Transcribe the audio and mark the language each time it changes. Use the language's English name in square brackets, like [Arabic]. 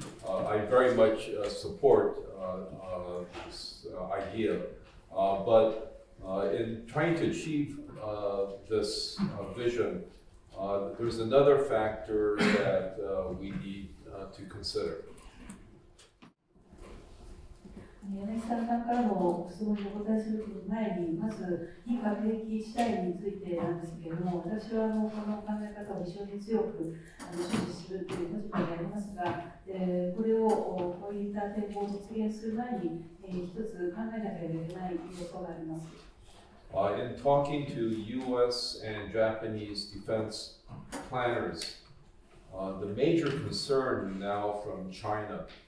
[English] I very much support this idea, but in trying to achieve this vision, there's another factor that we need to consider. [Japanese] 柳澤さんからの質問にお答えする前に、まず、非核兵器地帯についてなんですけれども、私はこの考え方を非常に強く支持するという立場でありますが、これをこういった展望を実現する前に、一つ考えなければいけないということがあります。 [English] In talking to US and Japanese defense planners, the major concern now from China.